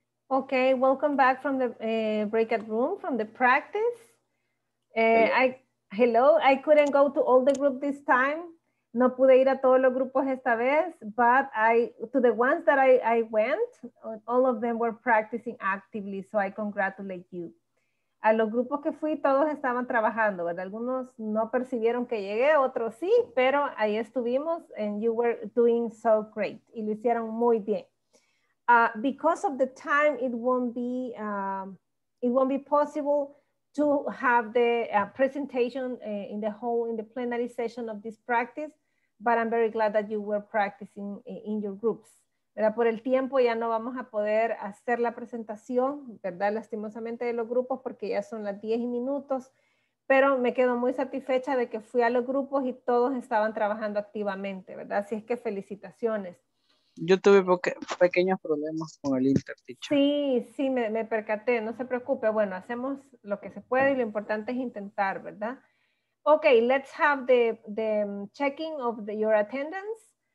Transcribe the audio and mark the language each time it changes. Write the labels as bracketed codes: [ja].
[en] Okay, welcome back from the breakout room, from the practice. I couldn't go to all the group this time. [es] No pude ir a todos los grupos esta vez, [en] but to the ones that I went, all of them were practicing actively, so I congratulate you. [es] A los grupos que fui, todos estaban trabajando, ¿verdad? Algunos no percibieron que llegué, otros sí, pero ahí estuvimos, [en] and you were doing so great, [es] y lo hicieron muy bien. [en] Because of the time, it won't be possible to have the presentation in the plenary session of this practice, but I'm very glad that you were practicing in your groups. [es] ¿Verdad? Por el tiempo ya no vamos a poder hacer la presentación, ¿verdad? Lastimosamente de los grupos porque ya son las 10 minutos, pero me quedo muy satisfecha de que fui a los grupos y todos estaban trabajando activamente, ¿verdad? Así es que felicitaciones. Yo tuve pequeños problemas con el interteacher. Sí, sí, me percaté, no se preocupe. Bueno, hacemos lo que se puede y lo importante es intentar, ¿verdad? [en] Okay, let's have the checking of your attendance.